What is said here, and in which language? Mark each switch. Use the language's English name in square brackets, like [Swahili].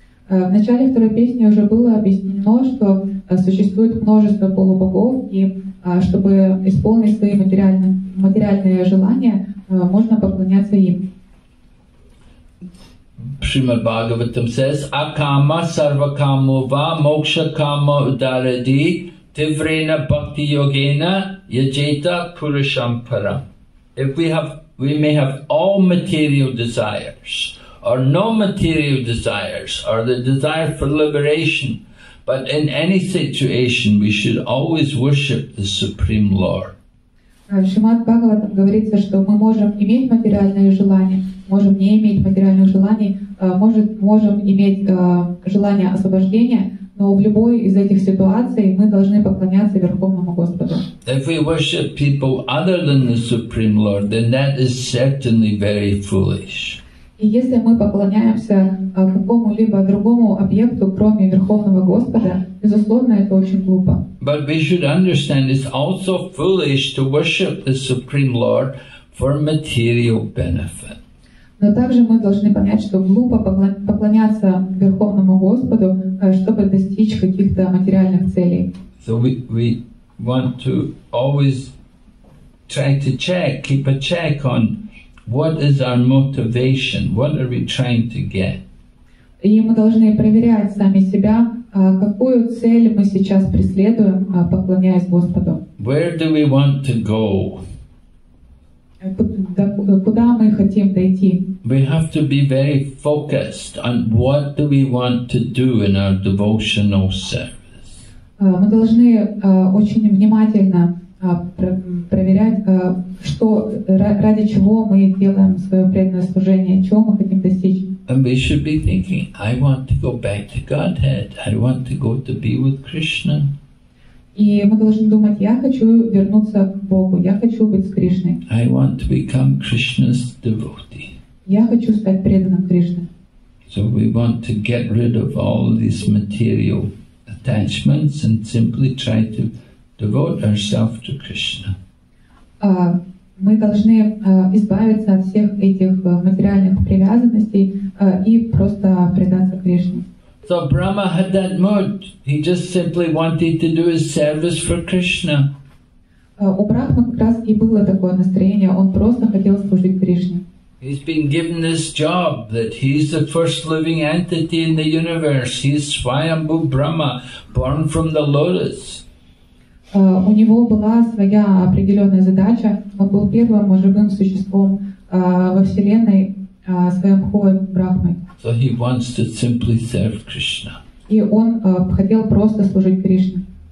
[Russian] В начале второй песни уже было объяснено, что существует множество полубогов, и чтобы исполнить свои материальные желания, можно поклоняться им. [Sanskrit] Shrimad Bhagavatam says, Akama sarvakamo va moksha kamo udaradi tivrena bhakti yogena yajeta purushampara. [English] We may have all material desires, or no material desires, or the desire for liberation, but in any situation we should always worship the Supreme Lord. [Russian] В Шримад Бхагаватам говорится, что мы можем иметь материальные желания, можем не иметь материальных желаний, можем иметь желание освобождения, но в любой из этих ситуаций мы должны поклоняться Верховному Господу. [English] If we worship people other than the Supreme Lord, then that is certainly very foolish. [Russian] И если мы поклоняемся какому-либо другому объекту, кроме Верховного Господа, безусловно, это очень глупо. [English] But we should understand it's also foolish to worship the Supreme Lord for material benefit. [Russian] Но также мы должны понять, что глупо поклоняться Верховному Господу, чтобы достичь каких-то материальных целей. [English] So we want to always try to check, keep a check on what is our motivation? What are we trying to get? [Russian] И мы должны проверять сами себя, какую цель мы сейчас преследуем, поклоняясь Господу? [English] Where do we want to go? [Russian] Куда мы хотим дойти? [English] We have to be very focused on what do we want to do in our devotional service. [Russian] Мы должны очень внимательно проверять, что ради чего мы делаем свое преданное служение, чего мы хотим достичь. [English] And we should be thinking, I want to go back to Godhead. I want to go to be with Krishna. [Russian] И мы должны думать, я хочу вернуться к Богу, я хочу быть с Кришной. [English] I want to become Krishna's devotee. [Russian] Я хочу стать преданным Кришне. [English] So we want to get rid of all these material attachments and simply try to devote ourselves to Krishna. [Russian] Мы должны избавиться от всех этих материальных привязанностей и просто предаться Кришне. [English] So Brahma had that mood. He just simply wanted to do his service for Krishna. [Russian] У Брахмы как раз и было такое настроение. Он просто хотел служить Кришне. [English] He's been given this job that he's the first living entity in the universe. He's Swayambhu Brahma, born from the lotus. [Russian] У него была своя определенная задача. Он был первым живым существом во Вселенной, своим Хой Брахмой. [English] So he wants to simply serve Krishna. [Russian] И он хотел просто служить Кришне.